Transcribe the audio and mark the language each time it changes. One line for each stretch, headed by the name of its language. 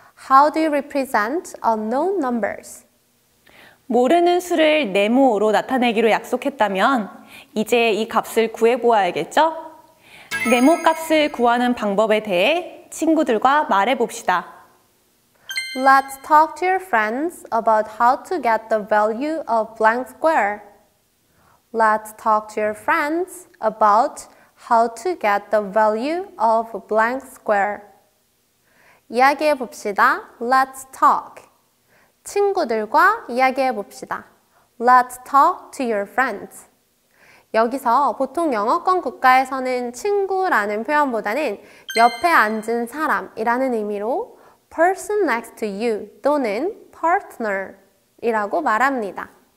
English: How do you represent unknown numbers?
Korean: 모르는 수를 네모로 나타내기로 약속했다면 이제 이 값을 구해보아야겠죠? 네모 값을 구하는 방법에 대해 친구들과 말해봅시다.
English: Let's talk to your friends about how to get the value of blank square. Let's talk to your friends about how to get the value of blank square.
Korean: 이야기해 봅시다.
English: Let's talk.
Korean: 친구들과 이야기해 봅시다.
English: Let's talk to your friends.
Korean: 여기서 보통 영어권 국가에서는 친구라는 표현보다는 옆에 앉은 사람이라는 의미로
English: person next to you
Korean: 또는 partner이라고 말합니다.